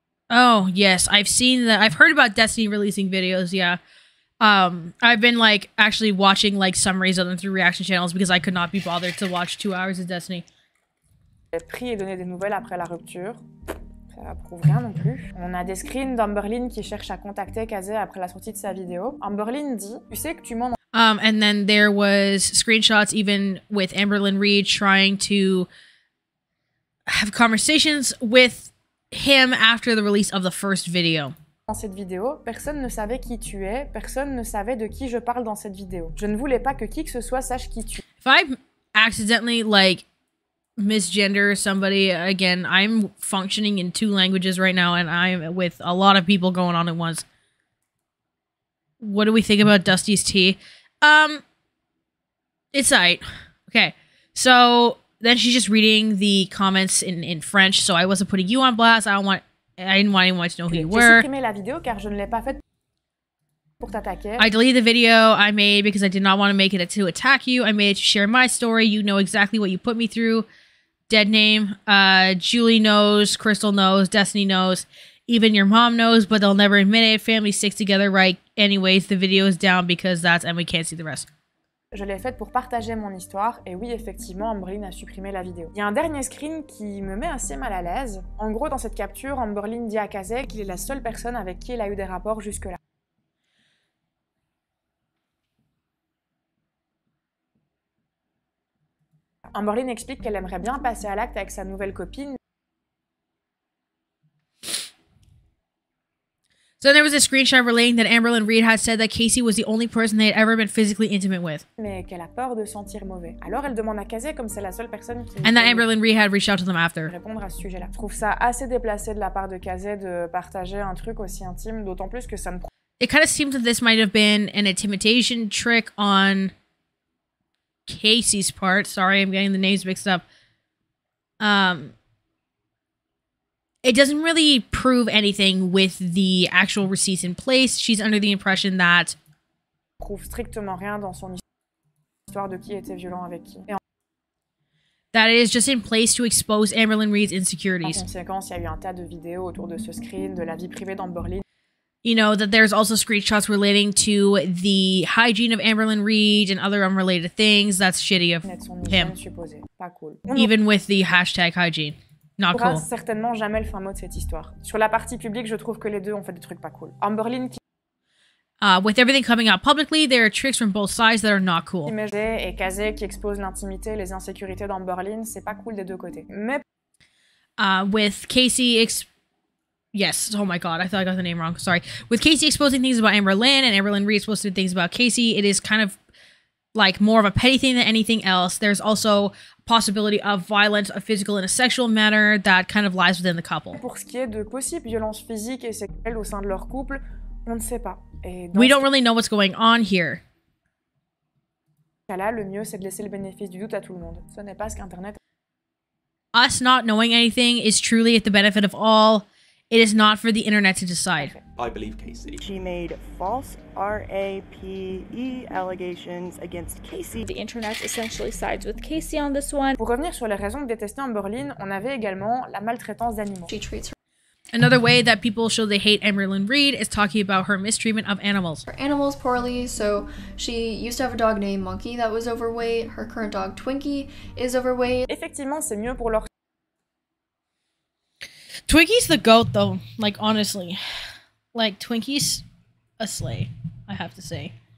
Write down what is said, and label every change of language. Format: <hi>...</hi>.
<en>Oh, yes. I've heard about Destiny releasing videos. Yeah. I've been like actually watching like summaries of them through reaction channels because I could not be bothered to watch 2 hours of Destiny.</en> <fr>J'ai pris et donné des nouvelles après la rupture. Ça prouve rien non plus. On a des screens d'Amberlynn qui cherche à contacter Kazé après la sortie de sa vidéo. Amberlynn dit, tu sais que tu mens.</fr> <en>And then there was screenshots even with Amberlynn Reid trying to have conversations with him after the release of the first video.</en> <fr>Dans cette vidéo, personne ne savait qui tu es, personne ne savait de qui je parle dans cette vidéo. Je ne voulais pas que qui que ce soit sache qui tu es.</fr> <en>If I accidentally like misgender somebody again, I'm functioning in two languages right now and I'm with a lot of people going on at once. What do we think about Dusty's tea? It's alright. Okay. So then she's just reading the comments in French, so I wasn't putting you on blast. I didn't want anyone to know who you were.</en> <fr>J'ai supprimé la vidéo car je ne l'ai pas fait pour t'attaquer.</fr> <en>I deleted the video I made because I did not want to make it to attack you. I made it to share my story. You know exactly what you put me through. Dead name. Julie knows. Crystal knows. Destiny knows. Even your mom knows, but they'll never admit it. Family sticks together, right? Anyways, the video is down because that's and we can't see the rest.</en> <fr>Je l'ai fait pour partager mon histoire. Et oui, effectivement, Amberlynn a supprimé la vidéo. Il y a un dernier screen qui me met assez mal à l'aise. En gros, dans cette capture, Amberlynn dit à Kazé qu'il est la seule personne avec qui il a eu des rapports jusque-là. Amberlynn explique qu'elle aimerait bien passer à l'acte avec sa nouvelle copine.</fr> <en>So there was a screenshot relaying that Amberlynn Reid had said that Casey was the only person they had ever been physically intimate with.</en> <fr>Mais qu'elle a peur de sentir mauvais. Alors elle demande à Casey comme c'est la seule personne qui.</fr> <en>And that Amberlynn Reid had reached out to them after.</en> <fr>Répondre à ce sujet-là. Je trouve ça assez déplacé de la part de Casey de partager un truc aussi intime, d'autant plus que ça ne.</fr> <en>It kind of seems that this might have been an intimidation trick on Casey's part. Sorry, I'm getting the names mixed up. It doesn't really prove anything with the actual receipts in place. She's under the impression that.</en> <fr>Prouve strictement rien dans son histoire de qui était violent avec qui.</fr> <en>That it is just in place to expose Amberlynn Reid's insecurities.</en> <fr>En conséquence, il y a eu un tas de vidéos autour de ce screen de la vie privée d'Amberlynn.</fr> <en>You know, that there's also screenshots relating to the hygiene of Amberlynn Reid and other unrelated things. That's shitty of him.</en> <fr>Pas cool.</fr> <en>Even with the hashtag hygiene. Not cool.</en> <fr>Certainement jamais le fin mot de cette histoire. Sur la partie publique, je trouve que les deux ont fait des trucs pas cool. Amberlynn qui...</fr> <en>With everything coming out publicly, there are tricks from both sides that are not cool.</en> <fr>Et Casey qui expose l'intimité, les insécurités d'Amberlynn, c'est pas cool des deux côtés. Mais...</fr> <en>With Casey... Yes, oh my god, I thought I got the name wrong, sorry. With Casey exposing things about Amberlynn and Amberlynn Reid exposing things about Casey, it is kind of like more of a petty thing than anything else. There's also a possibility of violence, a physical and a sexual manner that kind of lies within the couple.</en> <fr>Pour ce qui est de possible violence physique et sexuelle au sein de leur couple, on ne sait pas.</fr> <en>We don't really know what's going on here.</en> <fr>Là, le mieux c'est de laisser le bénéfice du doute à tout le monde. Ce n'est pas ce qu'Internet...</fr> <en>Us not knowing anything is truly at the benefit of all... It is not for the internet to decide. I believe Casey. She made false RAPE allegations against Casey. The internet essentially sides with Casey on this one.</en> <fr>Pour revenir sur les raisons de détester Amberlynn, on avait également la maltraitance d'animaux.</fr> <en>She treats her. Another way that people show they hate Amberlynn Reid is talking about her mistreatment of animals. Her animals poorly, so she used to have a dog named Monkey that was overweight. Her current dog Twinkie is overweight.</en> <fr>Effectivement, c'est mieux pour leur.</fr> <en>Twinkie's the goat, though. Like, honestly. Like, Twinkie's a slay, I have to say.</en>